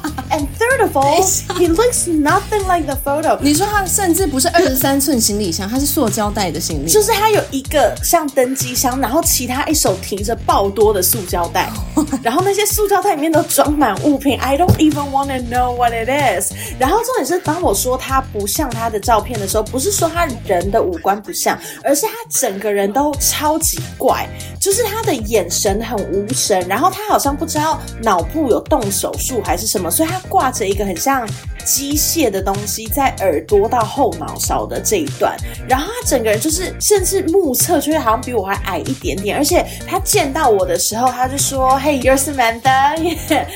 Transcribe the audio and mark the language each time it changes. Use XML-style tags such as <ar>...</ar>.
<en>And third of all, he looks nothing like the photo.</en> <zh>你说他甚至不是23寸行李箱，他是塑胶袋的行李，就是他有一个像登机箱，然后其他一手提着爆多的塑胶袋，然后那些塑胶袋里面都装满物品。</zh> <en>I don't even want to know what it is.</en> <zh>然后重点是，当我说他不像他的照片的时候，不是说他人的五官不像，而是他整个人都超级怪，就是他的眼神很无神，然后他好像不知道脑部有动手术还是什么，所以他挂着一个很像机械的东西在耳朵到后脑勺的这一段，然后他整个人就是甚至目测就会好像比我还矮一点点，而且他见到我的时候他就说</zh> <en>Hey you're Samantha、</en> <zh>yeah.</zh>